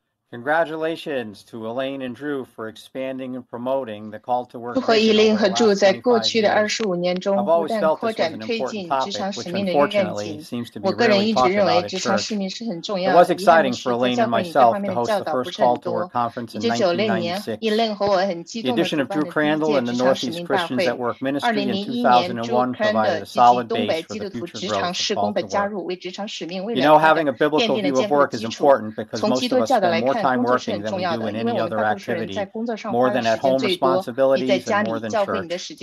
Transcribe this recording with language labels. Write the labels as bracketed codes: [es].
[en] Congratulations to Elaine and Drew for expanding and promoting the call to work. [zh] 祝贺伊琳和 Drew 在过去的25年中不断扩展推进职场使命的愿景。我个人一直认为职场使命是很重要的。 [en] It was exciting for Elaine and myself to host the first call to work conference in 1996. The addition of Drew Crandall and the Northeast Christians at Work Ministry in 2001 provided a solid base for the future growth of call to work. You know, having a biblical view of work is important because most of us spend more time working than we do in any other activity, more than at home responsibilities and more than church.